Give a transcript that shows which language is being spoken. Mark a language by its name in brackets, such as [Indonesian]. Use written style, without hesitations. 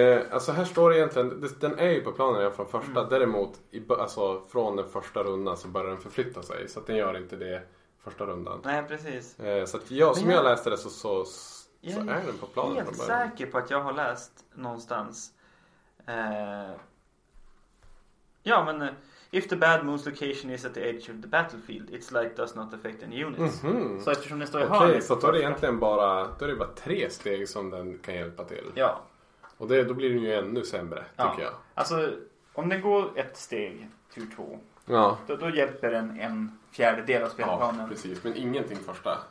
[Swedish] Alltså här står det egentligen... Den är ju på planen från första. Däremot, alltså från den första rundan så börjar den förflytta sig. Så att den gör inte det första rundan. Nej, precis. Så att jag läste det så är den på planen. Jag är helt säker på att jag har läst någonstans... ja, men... [English] If the bad moon's location is at the edge of the battlefield, its light does not affect any units. Mm-hmm. [Swedish] Så eftersom det står i hörnet... Okej, så då är det egentligen bara, då är det bara tre steg som den kan hjälpa till. Ja. Och det, då blir den ju ännu sämre, tycker jag. Alltså, om den går ett steg, tur två, då hjälper den en fjärdedel av spelplanen. Ja, precis. Men ingenting första.